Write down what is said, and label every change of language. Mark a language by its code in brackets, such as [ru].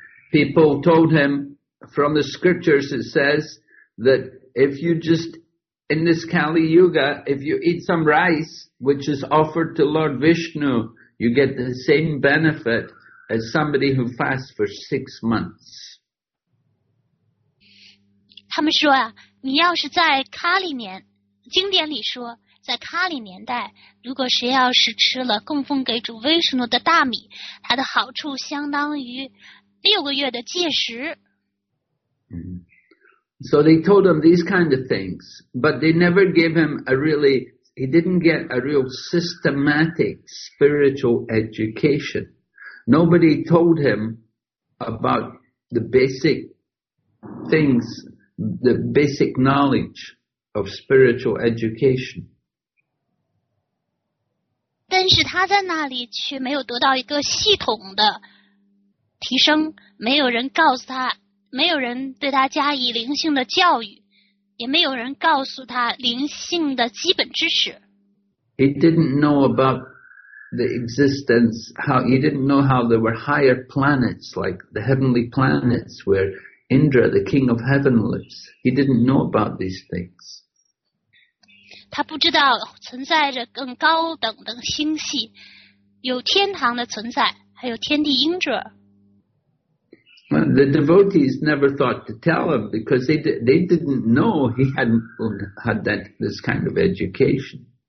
[en] People told him, from the scriptures it says that if you just, in this Kali Yuga, if you eat some rice which is offered to Lord Vishnu, you get the same benefit as somebody who fasts for 6 months. [zh] 他们说啊，你要是在卡里年经典里说，在卡里年代，如果谁要是吃了供奉给主威士诺的大米，它的好处相当于6个月的戒食。 [en] So they told him these kind of things, but they never gave him a really he didn't get a real systematic spiritual education. Nobody told him about the basic things, the basic knowledge of spiritual education. [zh] 但是他在那里却没有得到一个系统的提升，没有人告诉他，没有人对他加以灵性的教育，也没有人告诉他灵性的基本知识。 [en] He didn't know about the existence, he didn't know how there were higher planets, like the heavenly planets where Indra, the king of heaven, lives. He didn't know about these things. [zh] 他不知道存在着更高等的星系，有天堂的存在，还有天帝英者。 [en] Well, the devotees never thought to tell him because they didn't know he hadn't had this kind of education.